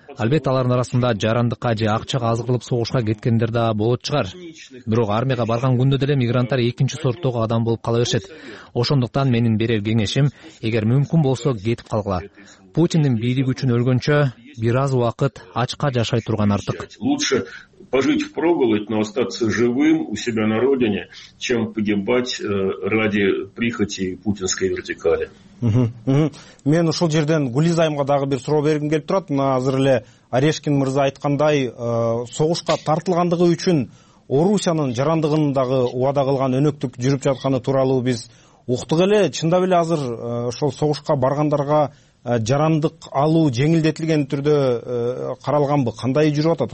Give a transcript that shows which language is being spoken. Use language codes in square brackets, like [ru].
[ky] Албетте алардын арасында жарандыкка же акчага азгырылып согушка кеткендер да болот чыгар. Бирок армияга барган күндө деле мигранттар экинчи сорттогу адам болуп кала беришет. Ошондуктан менин берер кеңешим, эгер мүмкүн болсо кетип калгыла. Путиндин бийлиги үчүн өлгөнчө бир аз убакыт ачка жашай турган артык. [ru] Лучше пожить впроголодь, но остаться живым у себя на родине, чем погибать ради прихоти путинской вертикали. [ky] Мен ушул жерден Гулизаимга дагы бир суроо бергим келип турат. Мына азыр эле Орешкин мырза айткандай, согушка тартылгандыгы үчүн Орусиянын жарандыгын дагы убада кылган өнөктүк жүрүп жатканы тууралуу биз уктук эле. Чындап эле азыр ошол согушка баргандарга жарандык алуу жеңилдетилген түрдө каралганбы? Кандай жүрүп атат?